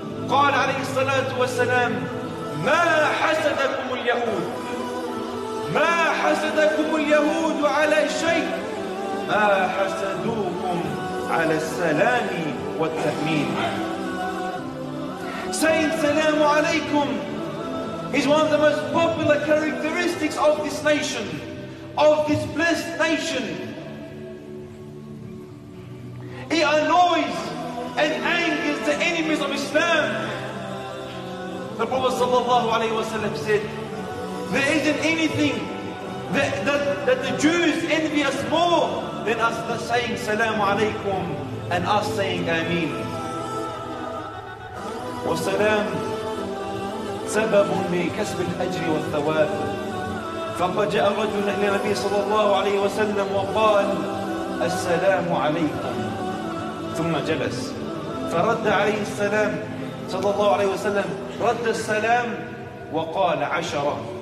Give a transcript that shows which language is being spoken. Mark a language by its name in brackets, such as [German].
[Arabic] قال عليه الصلاة والسلام: ما حسدكم اليهود، ما حسدكم اليهود على شيء، ما حسدوكم على السلام والتأمين. [English] Saying salamu alaykum is one of the most popular characteristics of this nation, of this blessed nation. It annoys and angers the enemies of Islam. The Prophet sallallahu alayhi wasallam said, there isn't anything that the Jews envy us more than us saying salamu alaykum and us saying ameen. [Arabic] والسلام سبب لكسب الأجر والثواب. فقد جاء رجل إلى النبي صلى الله عليه وسلم وقال: السلام عليكم، ثم جلس. فرد عليه السلام صلى الله عليه وسلم، رد السلام وقال عشرة.